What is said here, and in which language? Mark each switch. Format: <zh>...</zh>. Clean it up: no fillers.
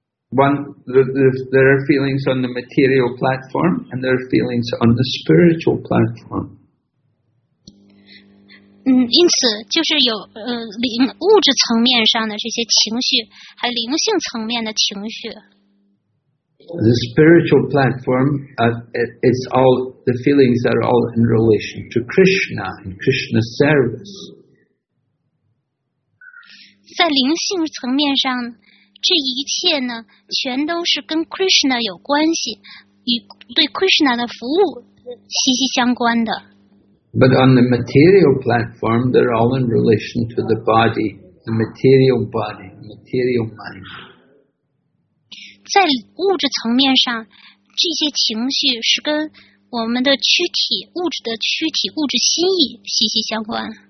<en>There are feelings on the material platform, and there are feelings on the spiritual platform.</en> <zh>因此就是有物质层面上的这些情绪，还有灵性层面的情绪。</zh> <en>The spiritual platform, it's all the feelings are all in relation to Krishna and Krishna's service.</en> <zh>在灵性层面上，这一切呢，全都是跟 Krishna 有关系，与对 Krishna 的服务息息相关的。</zh> <en>But on the material platform, they're all in relation to the body, the material body, material mind.</en> <zh>在物质层面上，这些情绪是跟我们的躯体、物质的躯体、物质心意息息相关。</zh>